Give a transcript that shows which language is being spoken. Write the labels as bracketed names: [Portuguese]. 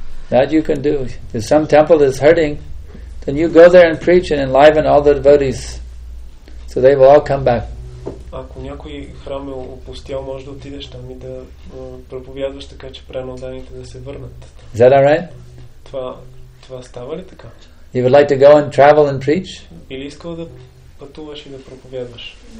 [English] That you can do. If some temple is hurting, then you go there and preach and enliven all the devotees. So they will all come back. [Bulgarian] Ако някой храм е опустял, може да отидеш там и да проповядваш така, че преноданите да се върнат. [English] Is that all right? [Bulgarian] Това става ли така? [English] You would like to go and travel and preach? [Bulgarian] Или искал да пътуваш и да проповядваш?